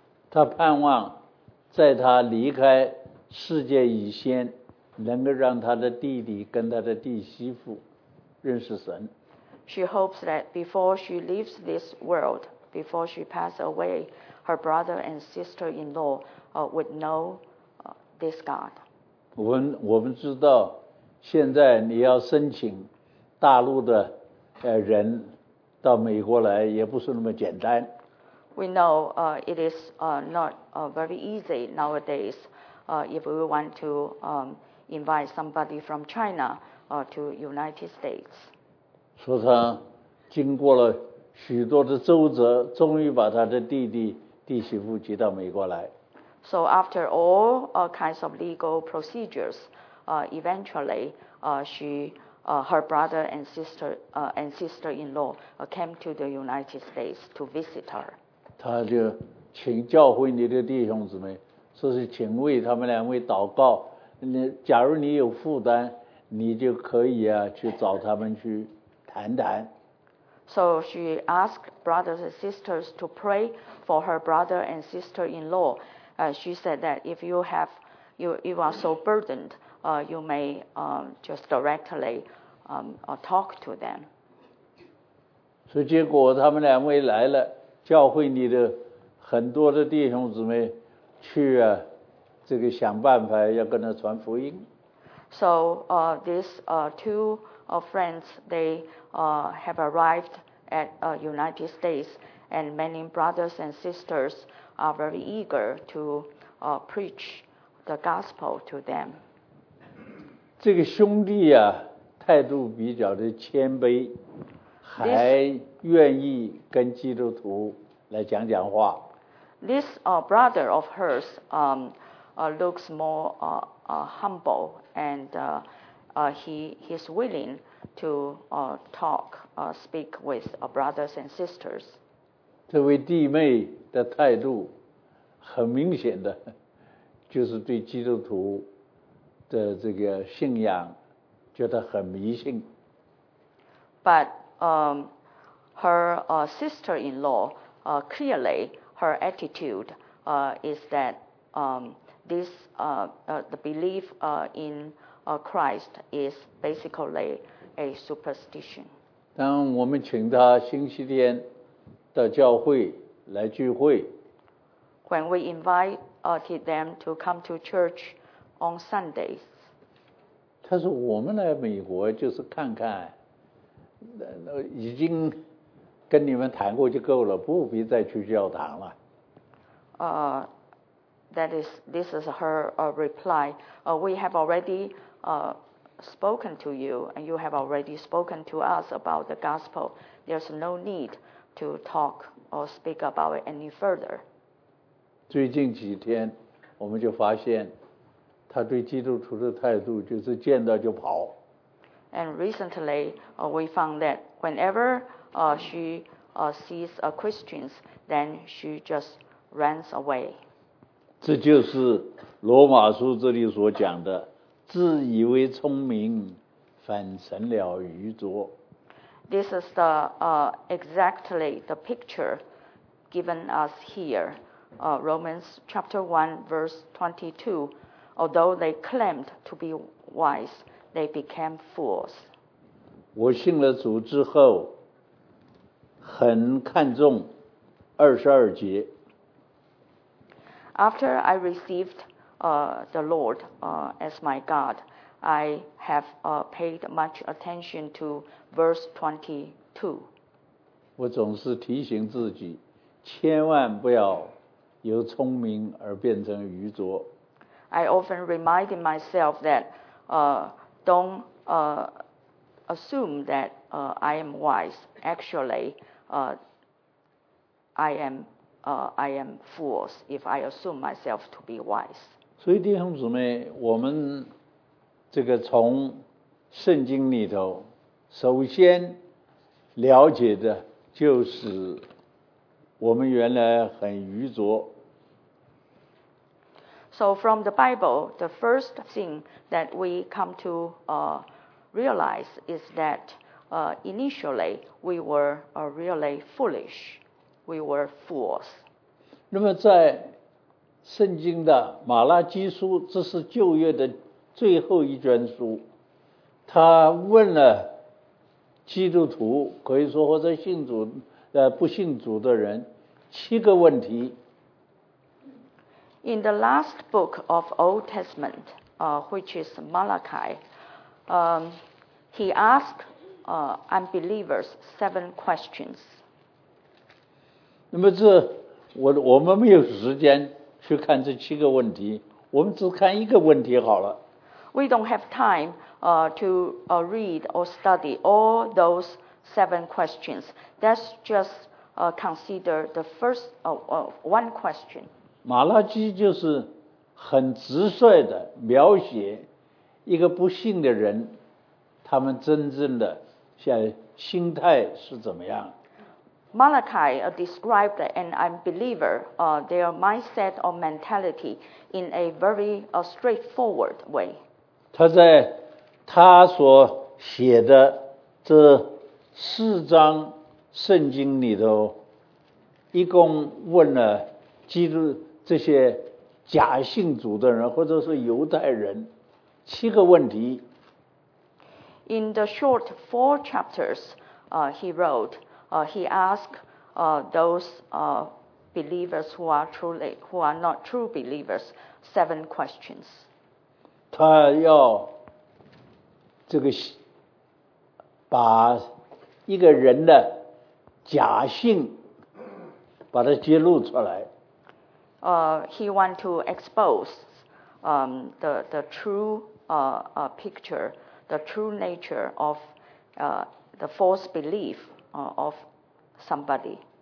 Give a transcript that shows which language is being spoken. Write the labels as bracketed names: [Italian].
[Chinese] 她盼望在她离开世界以前能够让她的弟弟跟她的弟媳妇认识神。 [English] She hopes that before she leaves this world, before she passes away, her brother and sister-in-law would know this God. [Chinese] 我们知道现在你要申请大陆的人到美国来也不是那么简单。 [English] We know it is not very easy nowadays if we want to invite somebody from China to United States. [Chinese] 说他经过了许多的周折，终于把他的弟弟弟媳妇接到美国来。 [English] So after all kinds of legal procedures, eventually, she, her brother and sister, and sister-in-law came to the United States to visit her. [Chinese] 他就请教会你的弟兄姊妹，说是请为他们两位祷告。你假如你有负担，你就可以啊去找他们去谈谈。 [English] So she asked brothers and sisters to pray for her brother and sister-in-law. She said that if you have, you are so burdened, you may just directly talk to them. [Chinese] 所以结果他们两位来了，教会你的很多的弟兄姊妹去啊，这个想办法要跟他传福音。 [English] So these two friends, they have arrived at United States, and many brothers and sisters are very eager to preach the gospel to them. [Chinese] 这个兄弟啊，态度比较的谦卑，还愿意跟基督徒来讲讲话。 [English] This brother of hers looks more humble, and he's willing to talk, speak with brothers and sisters. [Chinese] 这位弟妹的态度很明显的，就是对基督徒的这个信仰觉得很迷信。 [English] But her sister-in-law, clearly her attitude is that this the belief in Christ is basically a superstition. [Chinese] 当我们请他星期天到教会来聚会。 [English] When we invite them to come to church on Sundays. [Chinese] 他说我们来美国就是看看，已经跟你们谈过就够了，不必再去教堂了。 [English] This is her reply. We have already spoken to you, and you have already spoken to us about the gospel. There's no need to talk or speak about it any further. [Chinese] 最近几天，我们就发现，他对基督徒的态度就是见到就跑。 [English] And recently, we found that whenever she sees Christians, then she just runs away. [Chinese] 这就是罗马书这里所讲的。自以为聪明，反成了愚拙。 [English] This is the exactly the picture given us here. Romans chapter 1 verse 22. Although they claimed to be wise, they became fools. [Chinese] 我信了主之后，很看重二十二节。 [English] After I received the Lord as my God, I have paid much attention to verse 22. [Chinese] 我总是提醒自己，千万不要由聪明而变成愚拙。 [English] I often reminded myself that, don't, assume that, I am wise. Actually, I am fools if I assume myself to be wise. [Chinese] 所以弟兄姊妹，我们这个从圣经里头首先了解的就是我们原来很愚拙。 [English] So from the Bible, the first thing that we come to realize is that initially we were really foolish. We were fools. [Chinese] 那么在圣经的马拉基书，这是旧约的最后一卷书，他问了基督徒，可以说或者信主不信主的人七个问题。 [English] In the last book of Old Testament, which is Malachi, he asked unbelievers seven questions. [Chinese] 那么这我们没有时间去看这七个问题，我们只看一个问题好了。 [English] We don't have time to read or study all those seven questions. That's just consider the first one question. [Chinese] 马拉基就是很直率的描写一个不幸的人，他们真正的像心态是怎么样。 [English] Malachi described an unbeliever, their mindset or mentality in a very straightforward way. [Chinese] 他在他所写的这四章圣经里头，一共问了基督这些假信主的人，或者是犹太人，七个问题。 [English] In the short four chapters, he wrote, he asked, those, believers who are not true believers, seven questions. [Chinese] 他要这个把一个人的假信把它揭露出来。 [English] He want to expose the true picture, the true nature of the false belief of somebody.